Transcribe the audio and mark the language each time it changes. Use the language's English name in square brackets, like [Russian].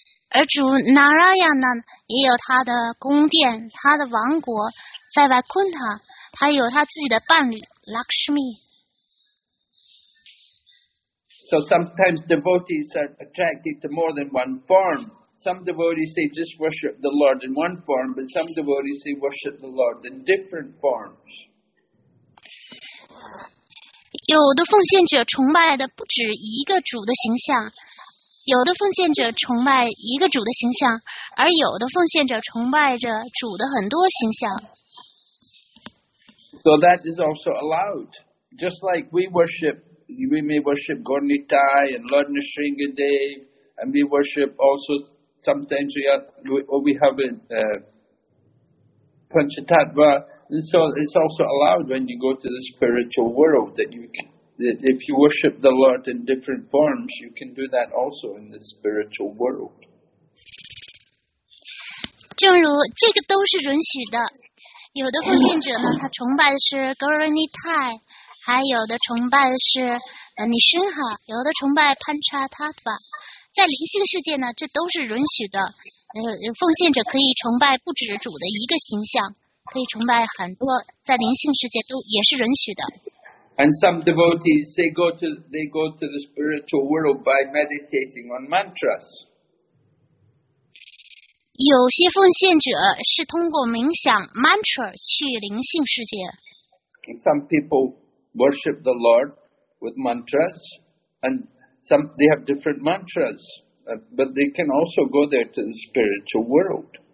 [Chinese] 而主 Narayana 也有他的宫殿，他的王国在 Vaikuntha， 他有他自己的伴侣 Lakshmi. [English] So sometimes devotees are attracted to more than one form. Some devotees say just worship the Lord in one form, but some devotees say worship the Lord in different forms. [Chinese] 有的奉献者崇拜的不止一个主的形象，有的奉献者崇拜一个主的形象，而有的奉献者崇拜着主的很多形象。 [English] So that is also allowed. Just like we worship, we may worship Gornitai and Lord Nrisingadev, and we worship also sometimes we have Panchatattva. And so it's also allowed when you go to the spiritual world that if you worship the Lord in different forms, you can do that also in the spiritual world. [Chinese] 正如这个都是允许的，有的奉献者呢，他崇拜的是 Gauranitai， 还有的崇拜的是 Nishinha， 有的崇拜 Panchatattva， 在灵性世界呢，这都是允许的。奉献者可以崇拜不止主的一个形象。可以崇拜很多，在灵性世界都也是允许的。 [English] And some devotees they go to the spiritual world by meditating on mantras. [Chinese] 有些奉献者是通过冥想 mantra 去灵性世界。 [English] Some people worship the Lord with mantras, and some they have different mantras, but they can also go there to the spiritual world.